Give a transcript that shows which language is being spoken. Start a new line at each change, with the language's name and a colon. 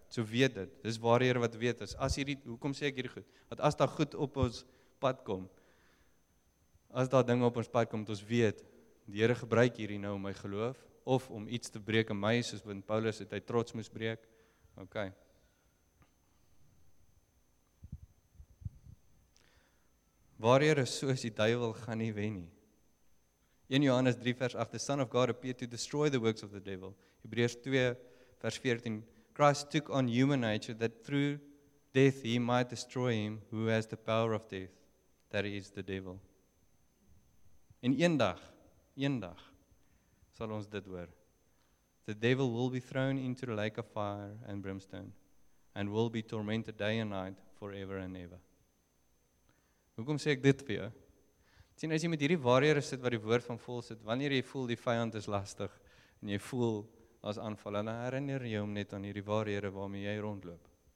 Afrikaans: So weet dit, dis waar die Here wat weet is, as hierdie, hoekom sê ek hierdie goed, want as daar goed op ons pad kom, as daar dinge op ons pad kom, ons weet, die Here gebruik hierdie nou my geloof, of om iets te breek in my, soos wat Paulus het, hy trots moes breek, ok. Waar die Here soos die duivel gaan nie wen nie. 1 Johannes 3 vers 8,
English: the Son of God appeared to destroy the works of the devil.
Afrikaans: Hebreërs 2 vers 14,
English: Christ took on human nature that through death he might destroy him who has the power of death, that is the devil.
Afrikaans: En een dag, sal ons dit hoor.
English: The devil will be thrown into the lake of fire and brimstone and will be tormented day and night forever and ever.
Afrikaans: Hoekom sê ek dit vir jou? Sien, as jy met hierdie waarhede sit wat die woord van vol sit, wanneer jy voel die vyand is lastig en jy voel as aanval, en herinner jy hom net aan hierdie waarhede waarmee jy rondloop.